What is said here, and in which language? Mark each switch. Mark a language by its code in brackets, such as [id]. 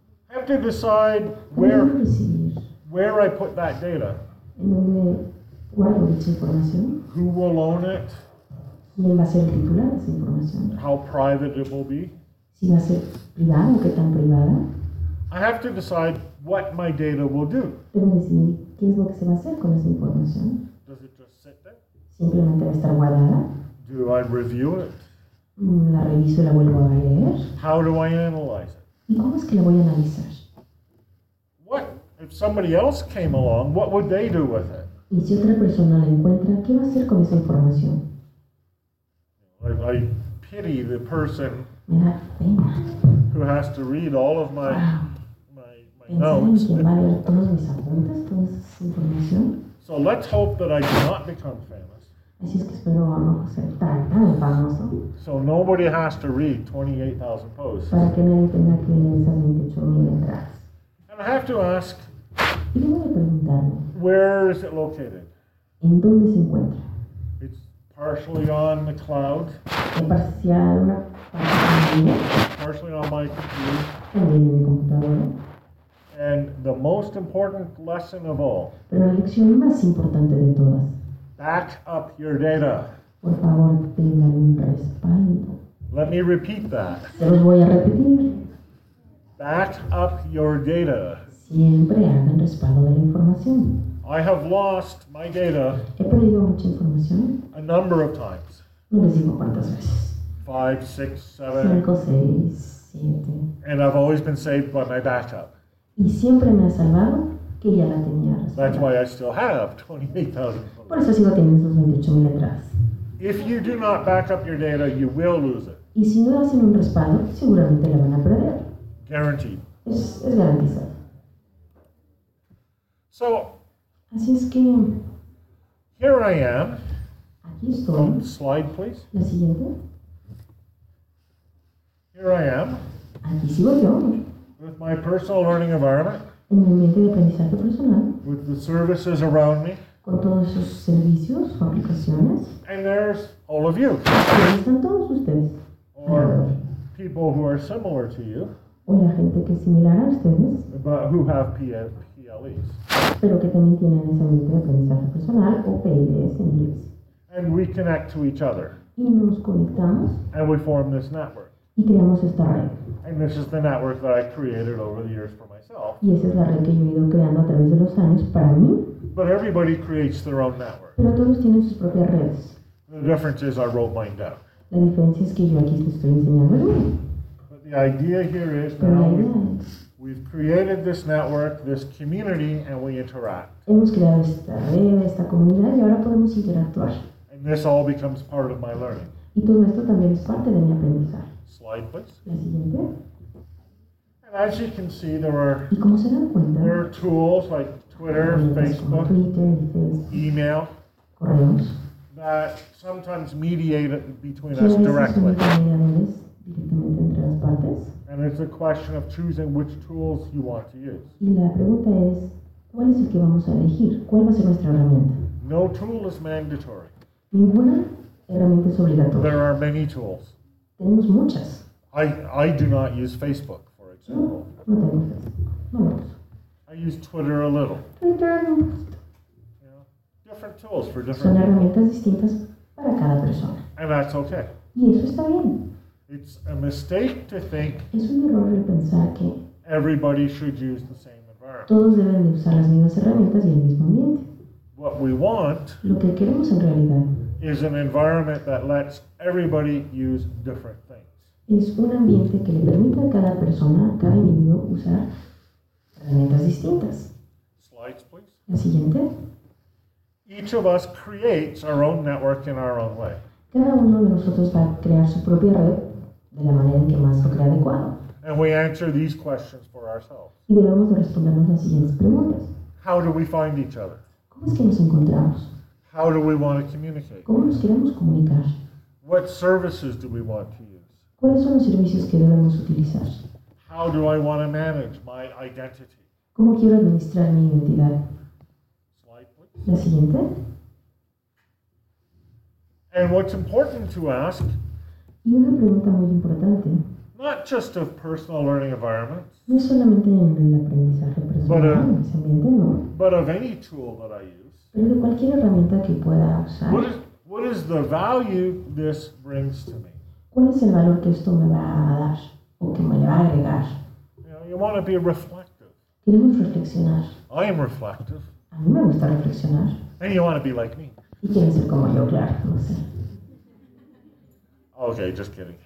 [en] Have to decide where I put that data. [es] ¿En dónde guardo dicha información? [en] Who will own it? [es] ¿Quién va a ser el titular de esa información? [en] How private it will be? [es] ¿Si va a ser privada o qué tan privada? [en] I have to decide what my data will do. [es] Tengo que decidir qué es lo que se va a hacer con esa información. [en] Does it just sit there? [es] Simplemente va a estar guardada. [en] Do I review it? [es] La reviso y la vuelvo a leer. [en] How do I analyze it? [es] ¿Y cómo es que la voy a analizar? [en] What if somebody else came along? What would they do with it? [es] ¿Y si otra persona la encuentra, qué va a hacer con esa información? [en] I pity the person. [es] Me da pena. [en] Who has to read all of my notes? [es] ¿Quién va a leer todos mis apuntes, toda esa información? [en] So let's hope that I do not become famous. [es] Así es que espero no ser tan famoso. [en] So nobody has to read 28,000 posts. [es] Para que nadie tenga que leer esas 28,000 letras. [en] And I have to ask. [es] Y me voy a preguntarme. [en] Where is it located? [es] ¿En dónde se encuentra? [en] It's partially on the cloud. [es] En parcial, una parte en la nube. [en] Partially on my computer. [es] También en mi computadora. [en] And the most important lesson of all. [es] Pero la lección más importante de todas. [en] Back up your data. [es] Por favor, tengan un respaldo. [en] Let me repeat that. [es] Se los voy a repetir. [en] Back up your data. [es] Siempre hagan respaldo de la información. [en] I have lost my data. [es] He perdido mucha información. [en] A number of times. [es] No les digo cuántas veces. [en] 5, 6, 7. [es] 5, 6, 7. [en] And I've always been saved by my backup. [es] Y siempre me ha salvado que ya la tenía respaldada. [en] That's why I still have 28,000. [es] Por eso sigo teniendo esos 28,000 letras. [en] If you do not back up your data, you will lose it. [es] Y si no hacen un respaldo, seguramente la van a perder. [en] Guaranteed. [es] Es garantizado. [en] So, [es] así es que... [en] Here I am. [es] Aquí estoy. [en] Slide, please. [es] La siguiente. [en] Here I am. [es] Aquí sigo yo. [en] With my personal learning environment. [es] En mi ambiente de aprendizaje personal. [en] With the services around me. [es] Con todos esos servicios o aplicaciones. [en] And there's all of you. [es] Y ahí están todos ustedes. [en] Or people who are similar to you. [es] O la gente que es similar a ustedes. [en] But who have PLEs. [es] Pero que también tienen ese ambiente de aprendizaje personal o PLEs en inglés. [en] And we connect to each other. [es] Y nos conectamos. [en] And we form this network. [es] Y creamos esta red. [en] And this is the network that I created over the years for myself. [es] Y esa es la red que yo he ido creando a través de los años para mí. [en] But everybody creates their own network. [es] Pero todos tienen sus propias redes. [en] The difference is I wrote mine down. [es] La diferencia es que yo aquí te estoy enseñando. [en] But the idea here is we've created this network, this community, and we interact. [es] Hemos creado esta red, esta comunidad, y ahora podemos interactuar. [en] And this all becomes part of my learning. [es] Y todo esto también es parte de mi aprendizaje. [en] Slide, please. [es] La siguiente. [en] And as you can see, [es] ¿y cómo se dan cuenta? [en] There are tools like Twitter, Facebook, email, [es] correos, [en] that sometimes mediate between us directly. And it's a question of choosing which tools you want to use. [es] Y la pregunta es, ¿cuál es el que vamos a elegir? ¿Cuál va a ser nuestra herramienta? [en] No tool is mandatory. [es] Ninguna herramienta es obligatoria. [en] There are many tools. [es] Tenemos muchas. [en] I do not use Facebook, for example. [es] No, no [en] I use Twitter a little. [es] Twitter. [en] You know, different tools for different people. [es] Son herramientas distintas para cada persona. [en] And that's okay. [es] Y eso está bien. [en] It's a mistake to think [es] es un error pensar que [en] everybody should use the same environment. [es] Todos deben de usar las mismas herramientas y el mismo ambiente. [en] What we want [es] lo que queremos en realidad [en] is an environment that lets everybody use different things. [es] Es un ambiente que le permite a cada persona, a cada individuo, usar herramientas distintas. [en] Slides, please. [es] La siguiente. [en] Each of us creates our own network in our own way. [es] Cada uno de nosotros va a crear su propia red de la manera en que más lo crea adecuado. [en] And we answer these questions for ourselves. [es] Y debemos de respondernos las siguientes preguntas. [en] How do we find each other? [es] ¿Cómo es que nos encontramos? [en] How do we want to communicate? [es] ¿Cómo nos queremos comunicar? [en] What services do we want to use? [es] ¿Cuáles son los servicios que debemos utilizar? [en] How do I want to manage my identity? [es] ¿Cómo quiero administrar mi identidad? [en] Slide, please. [es] La siguiente. [en] And what's important to ask, [es] y una pregunta muy importante, [en] not just of personal learning environments, [es] no solamente en el aprendizaje personal, en ese ambiente, no, [en] but of any tool that I use, [es] pero de cualquier herramienta que pueda usar, [en] what is the value this brings to me? [es] ¿Cuál es el valor que esto me va a dar o que me va a agregar? [en] You know, you want to be reflective. [es] Queremos reflexionar. [en] I am reflective. [es] A mí me gusta reflexionar. [en] And you want to be like me. [es] Y quieren ser como yo, claro, no sé. [en] Okay, just kidding.